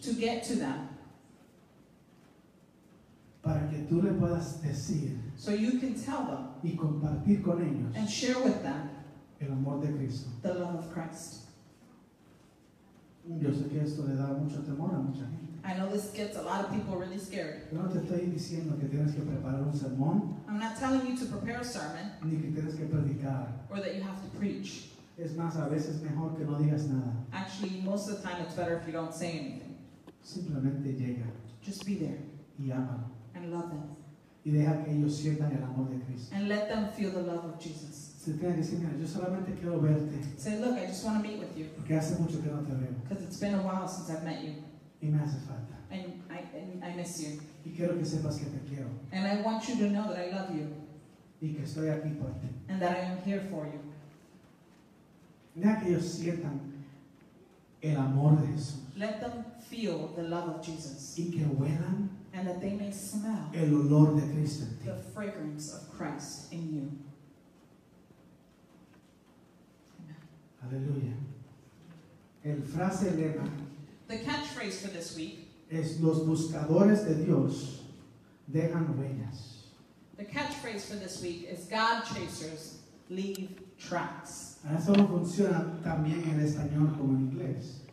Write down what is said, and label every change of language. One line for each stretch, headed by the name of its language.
English: To get to them.
Spanish: Para que tú le puedas decir.
English: So you can tell them.
Spanish: Y compartir con ellos.
English: And share with them.
Spanish: El amor de Cristo.
English: The love of Christ.
Spanish: Yo sé que esto le da mucho temor a mucha gente.
English: I know this gets a lot of people really scared.
Spanish: Yo no te estoy diciendo que tienes que preparar un sermón.
English: I'm not telling you to prepare a sermon.
Spanish: Ni que tienes que predicar.
English: Or that you have to preach.
Spanish: Es más, a veces mejor que no digas nada.
English: Actually, most of the time it's better if you don't say anything.
Spanish: Simplemente llega.
English: Just be there.
Spanish: Y ámalo.
English: And love them.
Spanish: Y deja que ellos sientan el amor de Cristo.
English: And let them feel the love of Jesus.
Spanish: Se tiene que decir, mira, yo solamente quiero verte.
English: Say, look, I just want to meet with you.
Spanish: Porque hace mucho que no te veo.
English: Because it's been a while since I've met you.
Spanish: Y me hace falta.
English: And I miss you.
Spanish: Y quiero que sepas que te quiero.
English: And I want you to know that I love you.
Spanish: Y que estoy aquí por ti.
English: And that I am here for you.
Spanish: Deja que ellos sientan el amor de Jesús.
English: Let them feel the love of Jesus.
Spanish: Y que huelan.
English: And that they may smell.
Spanish: El olor de Cristo en ti.
English: The fragrance of Christ in you.
Spanish: Aleluya. El frase lema.
English: The catchphrase for this week.
Spanish: Es los buscadores de Dios dejan huellas.
English: The catchphrase for this week is God chasers leave tracks.
Spanish: Eso no funciona también en español como en inglés.